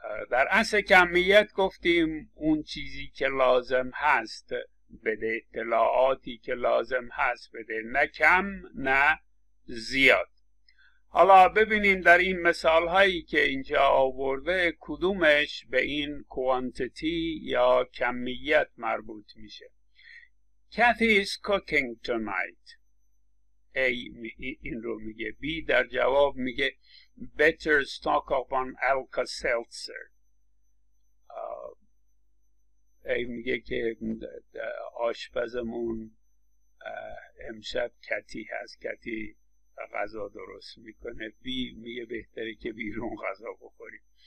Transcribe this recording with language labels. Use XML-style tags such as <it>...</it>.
<fa>در اصل کمیت گفتیم اون چیزی که لازم هست بده، اطلاعاتی که لازم هست بده، نه کم نه زیاد. حالا ببینیم در این مثال هایی که اینجا آورده کدومش به این کوانتیتی یا کمیت مربوط میشه.</fa> <en>Kathy is cooking tonight.</en> <fa>A این رو میگه.</fa> <en>B</en> <fa>در جواب میگه</fa> <en>Better stock up on Alka-Seltzer.</en> <fa>A میگه که آشپزمون امشب کتی هست. کتی غذا درست میکنه. بی میگه بهتره که بیرون غذا بخوریم.</fa>